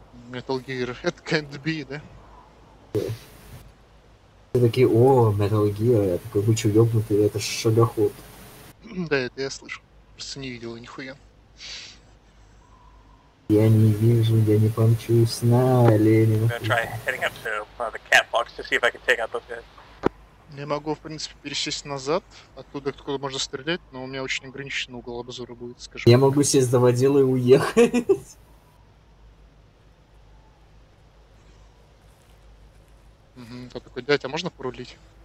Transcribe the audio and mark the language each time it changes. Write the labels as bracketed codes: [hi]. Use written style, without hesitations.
[en] Metal Gear. It can't be, да? [ru] Все такие, о, Metal Gear. Я такой, вы че, ёбнутый, это шагоход. Да, это я слышал. Просто не видел нихуя. Я не вижу, я не помчусь на оленя. [en] I'm gonna try heading up to the cat box to see if I can take out those guys. [ru] Я могу, в принципе, пересесть назад, оттуда откуда можно стрелять, но у меня очень ограниченный угол обзора будет, скажем. Я могу сесть за водилу и уехать. Угу, такой, дядь, а можно порулить?